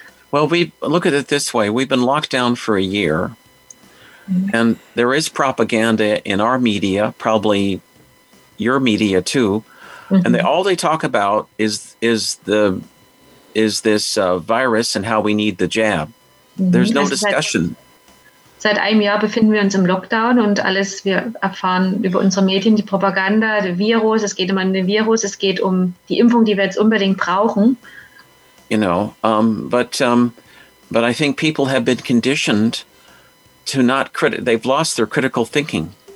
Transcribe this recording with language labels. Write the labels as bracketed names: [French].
[English] Well, we look at it this way. We've been locked down for a year. And there is propaganda in our media, probably your media too, and all they talk about is this virus and how we need the jab. There's no discussion. [German] Seit einem Jahr befinden wir uns im Lockdown und alles, wir erfahren über unsere Medien die Propaganda, der Virus, es geht um den Virus, es geht um die Impfung, die wir jetzt unbedingt brauchen. [English] You know, but But I think people have been conditioned to not they've lost their critical thinking.